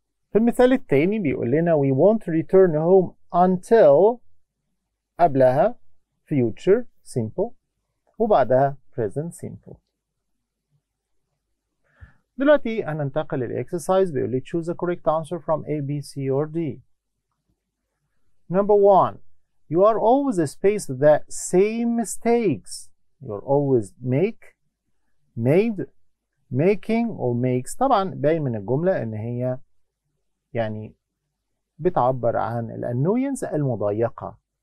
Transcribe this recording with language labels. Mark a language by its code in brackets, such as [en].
[ar] في المثال الثاني بيقول لنا [en] we won't return home until قبلها future simple وبعدها present simple. [ar] دلوقتي هننتقل للاكسرسايز. بيقول لي [en] choose the correct answer from A, B, C or D. Number one, you are always spaced the same mistakes. You are always make, made, making or makes. [ar] طبعا باين من الجملة ان هي يعني بتعبر عن الانويانس المضايقة.